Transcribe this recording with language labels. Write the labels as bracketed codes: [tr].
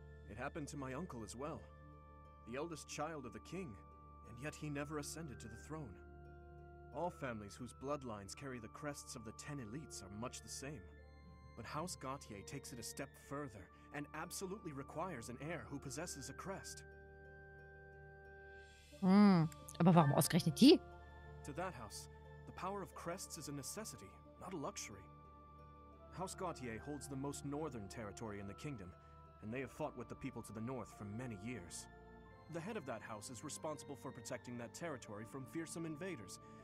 [en] It happened to my uncle as well. The eldest child of the king, and yet he never ascended to the throne. All families whose bloodlines carry the crests of the ten elites are much the same. But House Gautier takes it a step further and absolutely requires an heir who possesses a crest. [de] Aber warum ausgerechnet die? [en] To that house, the power of crests is a necessity, not a luxury. House Gautier holds the most northern territory in the kingdom, and they have fought with the people to the north for many years. The head of that house is responsible for protecting that territory from fearsome invaders,